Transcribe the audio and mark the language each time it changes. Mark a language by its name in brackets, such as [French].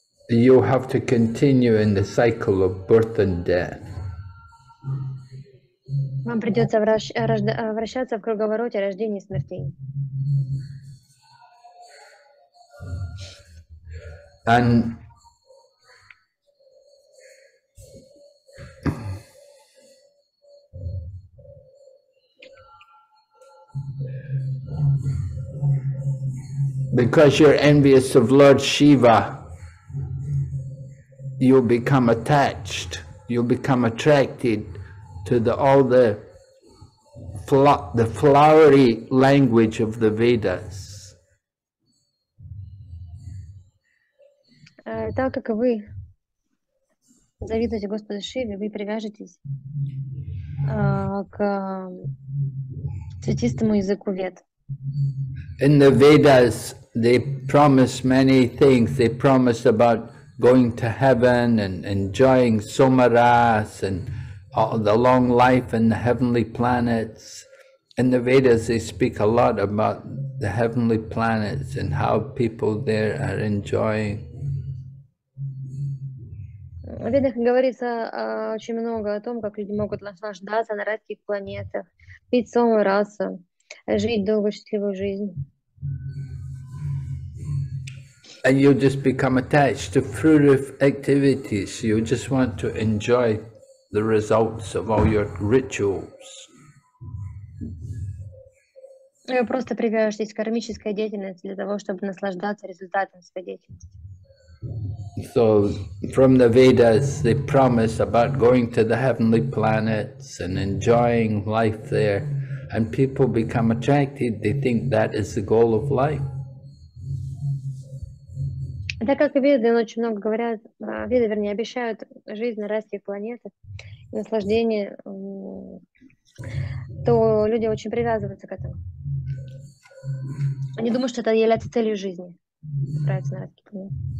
[English] You have to continue in the cycle of birth and death. [Russian] Вам придется вращаться в круговороте рождения и смерти. [English] And because you're envious of Lord Shiva, you'll become attached, you'll become attracted to the flowery language of the Vedas. [Russian] Так как вы завидуете Господу Шиве, вы привяжетесь к цветистому языку вед. [English] In the Vedas, They promise many things. They promise about going to heaven and enjoying somaras and all the long life in the heavenly planets. In the Vedas, they speak a lot about the heavenly planets and how people there are enjoying. [Russian] В Ведах говорится очень много о том, как люди могут наслаждаться на райских планетах, пить сомараса, жить долгую счастливую жизнь. [English] And you just become attached to fruitive activities. You just want to enjoy the results of all your rituals. [Russian] Вы просто привязываетесь к кармической деятельности для того, чтобы наслаждаться результатом своей деятельности. [English] So from the Vedas, they promise about going to the heavenly planets and enjoying life there, and people become attracted. They think that is the goal of life. [Russian] Так как Веды очень много говорят, Веды, вернее, обещают жизнь на райских планетах, наслаждение, то люди очень привязываются к этому. Они думают, что это является целью жизни. Нравится на райских планетах.